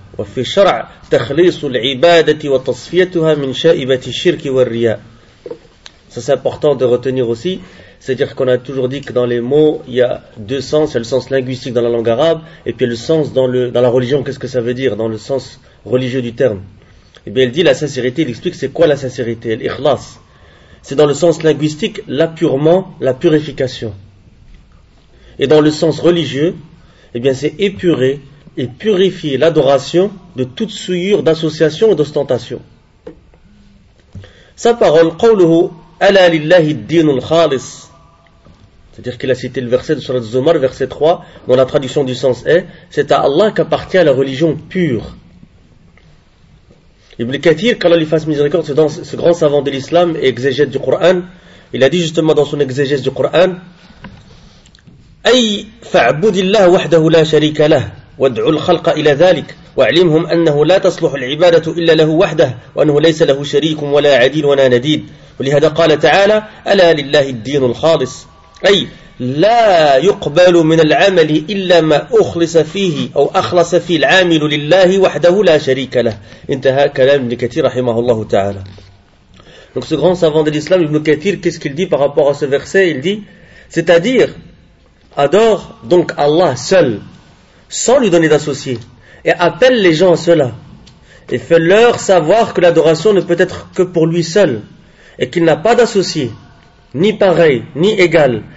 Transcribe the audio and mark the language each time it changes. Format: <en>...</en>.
<ar>وفي الشرع تخليص العبادة وتصفيتها من شائبة الشرك والرياء.</ar> <fr>Ça c'est important de retenir aussi. C'est-à-dire qu'on a toujours dit que dans les mots, il y a deux sens. Il y a le sens linguistique dans la langue arabe, et puis il y a le sens dans la religion. Qu'est-ce que ça veut dire dans le sens religieux du terme? Et bien, il dit la sincérité, il explique c'est quoi la sincérité, l'ikhlas. C'est dans le sens linguistique, l'appurement, la purification. Et dans le sens religieux, et bien, c'est épurer et purifier l'adoration de toute souillure d'association et d'ostentation. Sa parole,</fr> <ar>qawluhu, ألا لله الدين الخالص.</ar> <fr>C'est-à-dire qu'il a cité le verset de Sourate Zumar, verset 3, dont la traduction du sens est: c'est à Allah qu'appartient la religion pure. Ibn Kathir, qu'Allah lui fasse miséricorde, c'est dans ce grand savant de l'islam et exégète du Coran, il a dit justement dans son exégèse du Coran:</fr> <ar>أي فاعبد الله وحده لا شريك له وادعو الخلق إلى ذلك واعلمهم أنه لا تصلح العبادة إلا له وحده وأنه ليس له شريك ولا عديل ولا نديد. ولهذا قال تعالى: ألا لله الدين الخالص، أي لا يقبل من العمل إلا ما أخلص فيه أو أخلص فيه العامل لله وحده لا شريك له. انتهى كلام ابن كثير رحمه الله تعالى.</ar> <fr>Donc ce grand savant de l'islam Ibn Kathir, qu'est-ce qu'il dit par rapport à ce verset? Il dit, c'est-à-dire adore donc Allah seul sans lui donner d'associé et appelle les gens à cela et fais-leur savoir que l'adoration ne peut être que pour lui seul et qu'il n'a pas d'associé, ni pareil, ni égal.</fr>